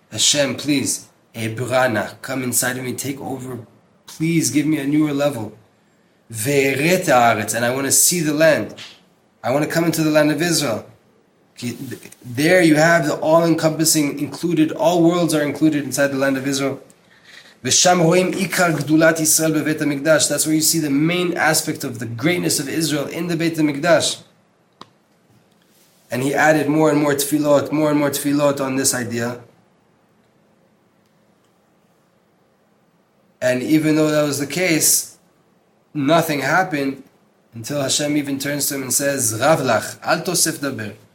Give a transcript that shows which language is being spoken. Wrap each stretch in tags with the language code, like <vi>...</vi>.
<en>Hashem, please, אברנה, come inside of me, take over. Please give me a newer level. ואראה את הארץ, and I want to see the land. I want to come into the land of Israel. There you have the all-encompassing included, all worlds are included inside the land of Israel.</en> <he>ושם רואים עיקר גדולת ישראל בבית המקדש.</he> <en>That's where you see the main aspect of the greatness of Israel in the Beit HaMikdash. And he added more and more tefillot, more and more tefillot on this idea. And even though that was the case, nothing happened until Hashem even turns to him and says, רב לך, אל תוסף דבר.</en>